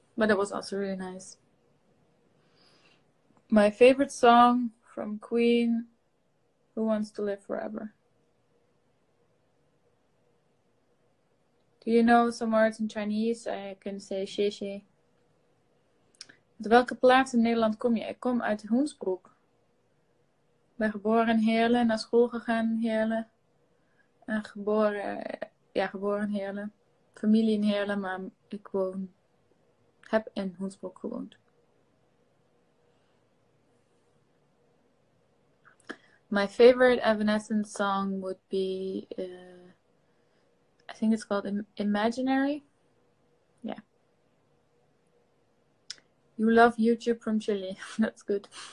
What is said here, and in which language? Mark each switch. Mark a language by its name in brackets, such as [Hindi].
[English] But it was also really nice. My favorite song from Queen, Who Wants to Live Forever. Do you know some words in Chinese? I can say xie xie. [Dutch] Uit welke plaats in Nederland kom je? Ik kom uit Hoensbroek. Ben geboren in Heerlen, naar school gegaan in Heerlen. En geboren in Heerlen. Familie in Heerlen, maar heb in Hoensbroek gewoond. [English] My favorite Evanescence song would be, I think it's called Imaginary. Yeah. You love YouTube from Chile. That's good.